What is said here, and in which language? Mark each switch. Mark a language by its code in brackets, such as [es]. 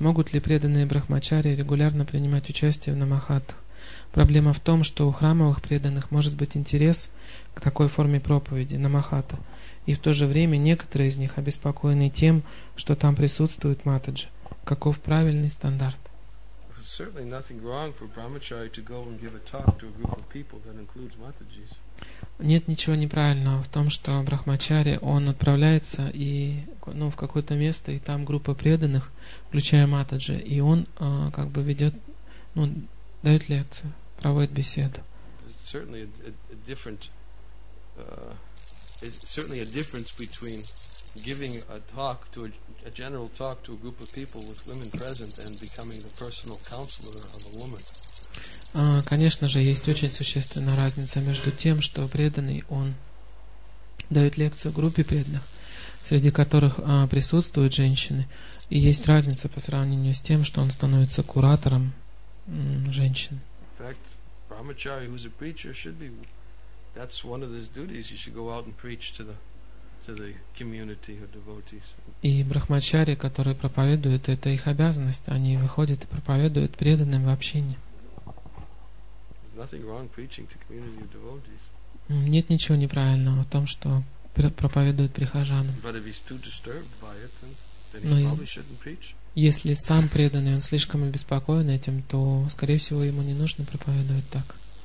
[ru] Могут ли преданные брахмачари регулярно принимать участие в намахатах? Проблема в том, что у храмовых преданных может быть интерес к такой форме проповеди, намахата. И в то же время некоторые из них обеспокоены тем, что там присутствует Матаджа. Каков правильный стандарт? [en] Certainly nothing wrong for brahmachari to go and give a talk to a group of people that includes matajis. [ru] Нет ничего неправильного в том, что брахмачари он отправляется и ну в какое-то место и там группа преданных, включая матаджи, и он как бы ведет, ну дает лекцию, проводит беседу. [en] Certainly a difference between giving a talk to a general talk to a group of people with women present and becoming the personal counselor of a woman. [ru] Конечно же, есть очень существенная разница между тем, что преданный, он дает лекцию группе преданных, среди которых присутствуют женщины, и есть разница по сравнению с тем, что он становится куратором женщин. [en] In fact, brahmachari, who's a preacher, should be, that's one of his duties, he should go out and preach to the to the community of devotees. [ru] И брахмачари, которые проповедуют, это их обязанность. Они выходят и проповедуют преданным в общине. [en] There's nothing wrong preaching to community of devotees. [ru] Нет ничего неправильного в том, что проповедуют прихожанам. [en] But if he's too disturbed by it, then he probably shouldn't preach. [ru] Если сам преданный, он слишком обеспокоен этим, то, скорее всего, ему не нужно проповедовать так.